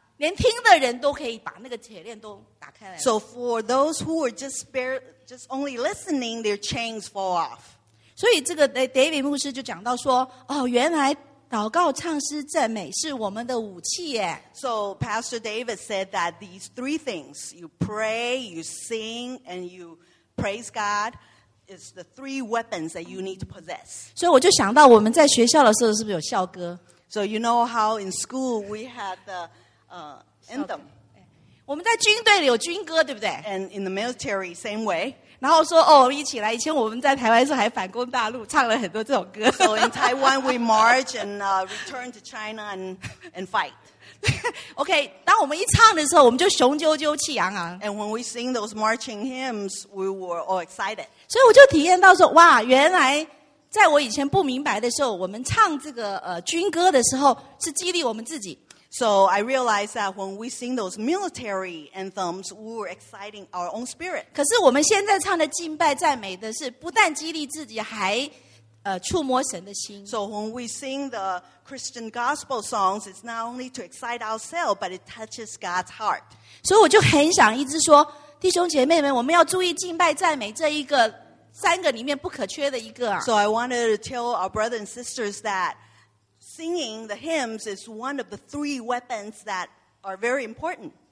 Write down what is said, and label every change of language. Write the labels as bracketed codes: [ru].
[zh] 连听的人都可以把那个铁链都打开来。 [en] So for those who were just only listening, their chains fall off. [zh] 所以这个 David 牧师就讲到说，哦，原来祷告、唱诗、赞美是我们的武器耶。 [en] So Pastor David said that these three things, you pray, you sing, and you praise God, is the three weapons that you need to possess. [zh] 所以我就想到我们在学校的时候是不是有校歌？ [en] So you know how in school we had the anthem. [zh] 我们在军队里有军歌，对不对 [en] ？And in the military, same way. [zh] 然后说哦，一起来。以前我们在台湾是还反攻大陆，唱了很多这首歌。 [en] So in Taiwan, we march and return to China and fight. [zh] OK, 当我们一唱的时候，我们就雄赳赳气昂昂。 [en] And when we sing those marching hymns, we were all excited. [zh] 所以我就体验到说，哇，原来在我以前不明白的时候，我们唱这个军歌的时候是激励我们自己。 [en] So I realized that when we sing those military anthems, we were exciting our own spirit. [zh] 可是我们现在唱的敬拜赞美的是不但激励自己，还触摸神的心。 [en] So when we sing the Christian gospel songs, it's not only to excite ourselves, but it touches God's heart. [zh] 所以我就很想一直说，弟兄姐妹们，我们要注意敬拜赞美这一个三个里面不可缺的一个。 [en] So I wanted to tell our brothers and sisters that singing the hymns is one of the three weapons that are very important.